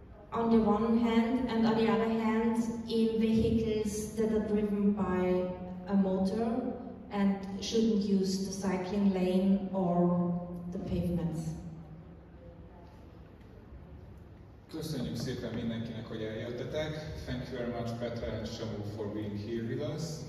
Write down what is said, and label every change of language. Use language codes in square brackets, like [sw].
[en] on the one hand, and on the other hand in vehicles that are driven by a motor and shouldn't use the cycling lane or the pavements. [hu] Köszönjük szépen mindenkinek, hogy eljöttetek. [en] Thank you very much, Petra and Samu, for being here with us.